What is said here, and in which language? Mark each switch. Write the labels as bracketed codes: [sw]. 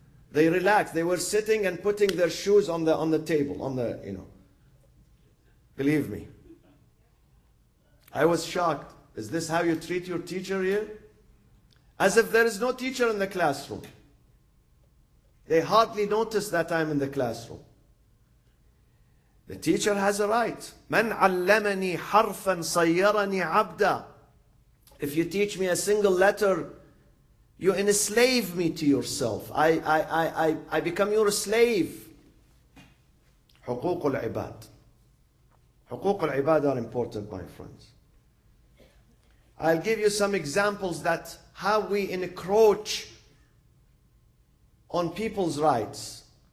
[en] They relaxed, they were sitting and putting their shoes on the table, Believe me. I was shocked. Is this how you treat your teacher here? As if there is no teacher in the classroom. They hardly notice that I'm in the classroom. The teacher has a right. [ar] مَنْ عَلَّمَنِي حَرْفًا صَيَّرَنِي عَبْدًا. [en] If you teach me a single letter, you enslave me to yourself. I become your slave. [ar] حقوق العباد. حقوق العباد [en] are important, my friends. I'll give you some examples that how we encroach on people's rights.